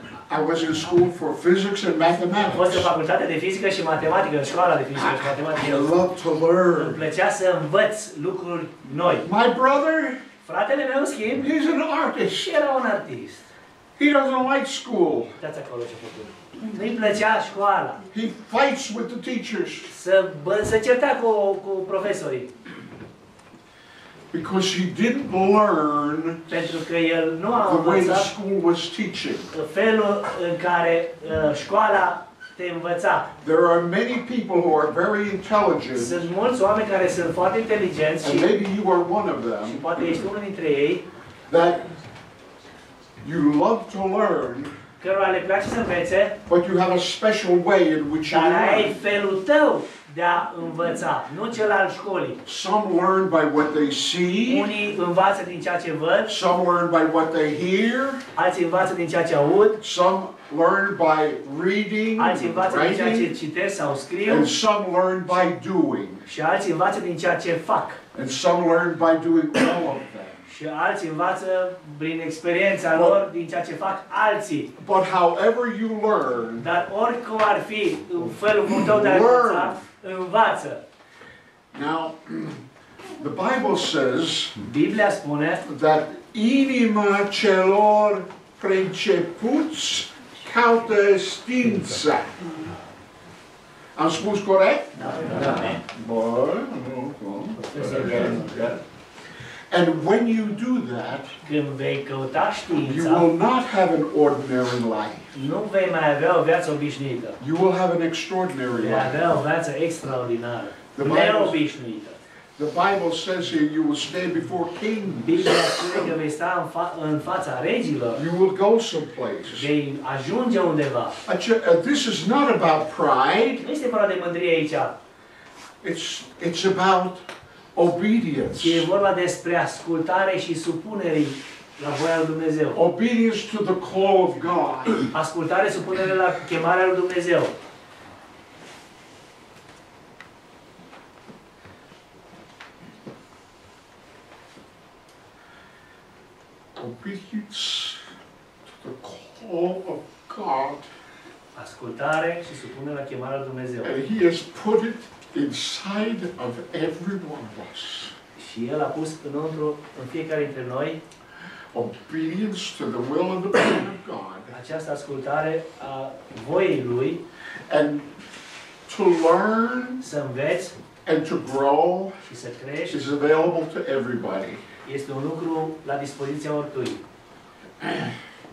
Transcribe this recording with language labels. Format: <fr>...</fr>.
<en>I was in school for physics and mathematics.</en> <ro>Fost în facultate de fizică și matematică, în școala de fizică și matematică.</ro> <en>I love to learn.</en> <ro>Îmi plăcea să învăț lucruri noi.</ro> <en>My brother.</en> <ro>Fratele meu, schimb.</ro> <en>He's an artist.</en> <ro>Era un artist.</ro> <en>He doesn't like school. That's a college problem.</en> <ro>Nu-i plăcea școala.</ro> <en>He fights with the teachers.</en> <ro>Se certa cu profesorii.</ro> <en>Because he didn't learn.</en> <ro>Pentru că el nu a</ro> <en>învățat. The way the school was teaching.</en> <ro>Felul în care școala te învăța.</ro> <en>There are many people who are very intelligent.</en> <ro>Sunt mulți oameni care sunt foarte inteligenți.</ro> <en>And maybe you are one of them.</en> <ro>Și poate ești unul dintre ei.</ro> <en>That you love to learn,</en> <ro>cărora le place să învețe,</ro> <en>but you have a special way in which you learn.</en> <ro>Dar ai felul tău de a învăța, nu cel al școlii.</ro> <en>Some learn by what they see.</en> <ro>Unii învață din ceea ce văd.</ro> <en>Some learn by what they hear.</en> <ro>Alții învață din ceea ce aud.</ro> <en>Some learn by reading.</en> <ro>Alții învață din ceea ce citesc sau scriu.</ro> <en>And some learn by doing.</en> <ro>Și alții învață din ceea ce fac.</ro> <en>And some learn by doing all of that.</en> <ro>Și alții învață prin experiența lor din ceea ce fac alții.</ro> <en>But however you learn,</en> <ro>dar oricum ar fi în felul tău de a învăța, învață.</ro> <en>Now, the Bible says,</en> <ro>Biblia spune, that inima celor precepuți caută știința. Am spus corect? Da. Da.</ro> <en>Bun. And when you do that,</en> <ro>când vei căuta știința,</ro> <en>you will not have an ordinary life.</en> <ro>Nu vei mai avea o viață obișnuită.</ro> <en>You will have an extraordinary life.</en> <ro>Vei avea o viață extraordinară. Neobișnuită.</ro> <en>The Bible says here you will stand before kings.</en> <ro>Biblia spune că vei sta în fața regilor.</ro> <en>You will go someplace.</en> <ro>Vei ajunge undeva.</ro> <en>This is not about pride.</en> <ro>Nu este vorba de mândrie aici.</ro> <en>It's about obedience.</en> <ro>E vorba despre ascultare și supunere la voia lui Dumnezeu.</ro> <en>Obedience to the call of God.</en> <ro>Ascultare, supunere la chemarea lui Dumnezeu.</ro> <en>Obedience to the call of God.</en> <ro>Ascultare și supunere la chemarea lui Dumnezeu.</ro> <en>And he has put it inside of every one of us.</en> <ro>Și el a pus înăuntru în fiecare dintre noi.</ro> <en>Obedience to the will and the plan of God.</en> <ro>Această ascultare a voii lui.</ro> <en>And to learn.</en> <ro>Să înveți.</ro> <en>And to grow.</en> <ro>Și să crești.</ro> <en>Is available to everybody.</en> <ro>Este un lucru la dispoziția oricui.</ro>